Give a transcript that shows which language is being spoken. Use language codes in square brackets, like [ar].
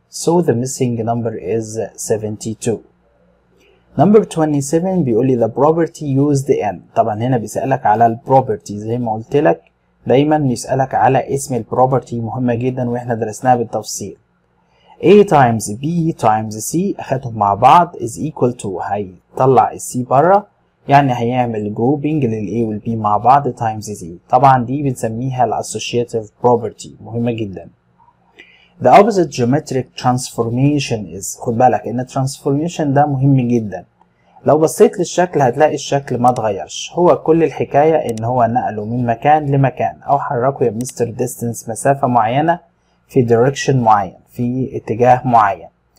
[en] So the missing number is 72. Number 27 [ar] بيقول لي [en] the property used in. [ar] طبعا هنا بيسألك على البروبرتي زي ما قلت لك دايما بيسألك على اسم البروبرتي مهمة جدا واحنا درسناها بالتفصيل. [en] A times B times C [ar] اخدهم مع بعض [en] is equal to [ar] هيطلع ال C بره يعني هيعمل جروبينج لل A وال B مع بعض times C. طبعا دي بنسميها الاسوشيتيف بروبرتي مهمة جدا. [en] The opposite geometric transformation is. [ar] خد بالك ان transformation ده مهم جدا. لو بصيت للشكل هتلاقي الشكل ما تغيرش. هو كل الحكاية ان هو نقله من مكان لمكان او حركه يا مستر distance مسافة معينة في direction معين في اتجاه معين.